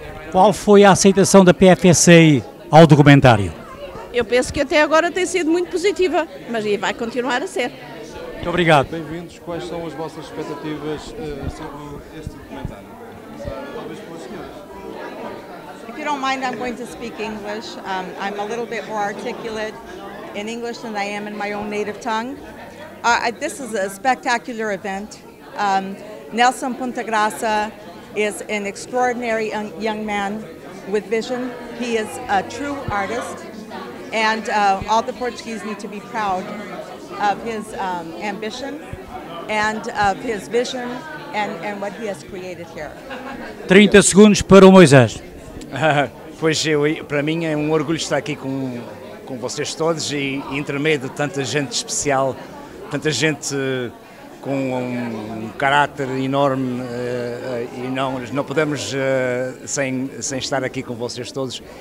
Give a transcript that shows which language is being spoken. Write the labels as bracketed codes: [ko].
[pt] Qual foi a aceitação da PFSA ao documentário? Eu penso que até agora tem sido muito positiva, mas aí vai continuar a ser. Muito obrigado. Bem-vindos. Quais são as vossas expectativas sobre este documentário? [en] If you don't mind, I'm going to speak English. I'm a little bit more articulate in English than I am in my own native tongue. This is a spectacular event. Nelson Pontagraça is an extraordinary young man with vision. He is a true artist, and all the Portuguese need to be proud of his ambition and of his vision and what he has created here. [pt] 30 segundos para o Moisés. Para mim é um orgulho estar aqui com vocês todos e entre meio de tanta gente especial, tanta gente com um caráter enorme, e não podemos sem estar aqui com vocês todos.